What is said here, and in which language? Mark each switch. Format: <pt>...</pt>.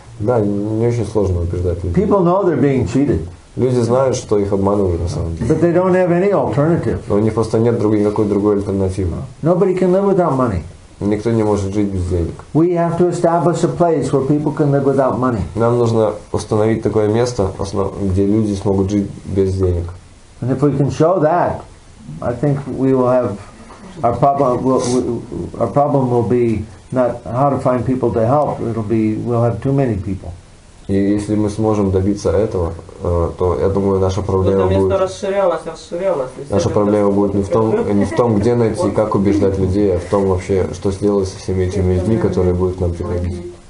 <ru>Да, не очень сложно убеждать людей.</ru> <en>People know they're being cheated.</en> <ru>Люди знают, что их обманывают на самом деле.</ru> <en>But they don't have any alternative.</en> <ru>Но у них просто нет никакой другой альтернативы.</ru> <en>Nobody can live without money.</en> <ru>Никто не может жить без денег.</ru> <en>We have to establish a place where people can live without money.</en> <ru>Нам нужно установить такое место, где люди смогут жить без денег.</ru> <en>And if we can show that, I think we will have. Our problem will be not how to find people to help. It'll be we'll have too many people.</en> <ru>И если мы сможем добиться этого, то я думаю, наша проблема будет. Это место расширялось. Наша проблема будет не в том, где найти, как убеждать людей, а в том вообще, что сделать со всеми этими людьми, которые будут к нам приходить.</ru>